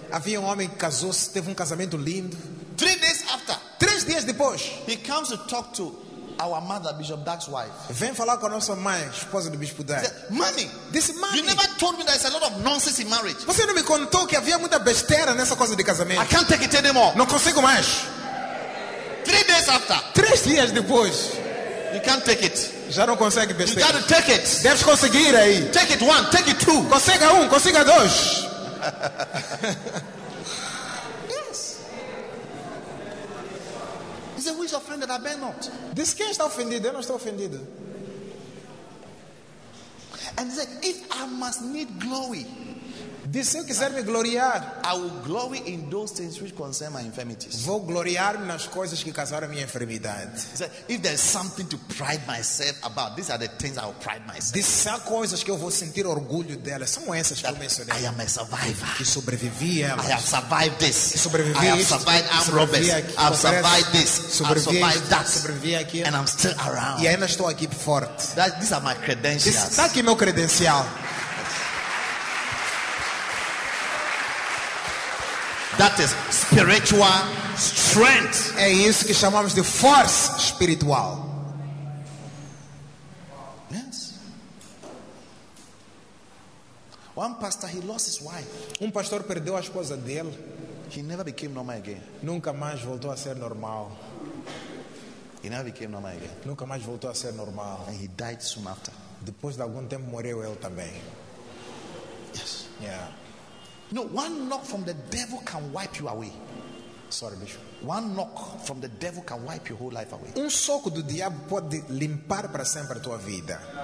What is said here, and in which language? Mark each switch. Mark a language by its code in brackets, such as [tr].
[pt] Havia homem que casou-se, teve casamento lindo. [en] 3 days after, [pt] 3 dias depois, [en] he comes to talk to our mother, Bishop Dark's wife. [pt] Vem falar com a nossa mãe, esposa do Bispo Dark. [en] Mommy, this money. You never told me there is a lot of nonsense in marriage. [pt] Você não me contou que havia muita besteira nessa coisa de casamento. [en] I can't take it anymore. [pt] Não consigo mais. [en] 3 days after, [pt] 3 dias depois, [en] you can't take it. [pt] Já não consegue besteira. [en] You got to take it. [pt] Deves conseguir aí. [en] Take it one, take it two. [pt] Consiga um, consiga dois. [en] Who is offended? I bear not. This guy [pt] está ofendido. Eu não estou ofendido. [en] And he said, if I must need glory, [pt] diz, se eu quiser me gloriar, [en] I will glory in those things which concern my infirmities. [pt] Vou gloriar nas coisas que causaram minha enfermidade. [en] He said, if there's something to pride myself about, these are the things I will pride myself. [pt] Diz, se há coisas que eu vou sentir orgulho delas, são essas que eu mencionei. [en] I am a survivor. [pt] Que sobrevivi a elas. [en] I have survived this. [pt] Que sobrevivi a isso. [en] I have survived armed robbers. I have survived this. [pt] Sobrevivi a isso. Sobrevivi a aquilo. [en] And I'm still around. [pt] E ainda estou aqui forte. [en] These are my credentials. [pt] Está aqui meu credencial. [en] That is spiritual strength. [pt] É isso que chamamos de força espiritual. [en] Yes. One pastor, he lost his wife. [pt] Pastor perdeu a esposa dele. [en] He never became normal again. [pt] Nunca mais voltou a ser normal. [en] He never became normal again. [pt] Nunca mais voltou a ser normal. [en] And he died soon after. [pt] Depois de algum tempo morreu ele também. [en] Yes. Yeah. No, one knock from the devil can wipe you away. Sorry, Bishop. One knock from the devil can wipe your whole life away. [pt] Soco do diabo pode limpar para sempre a tua vida.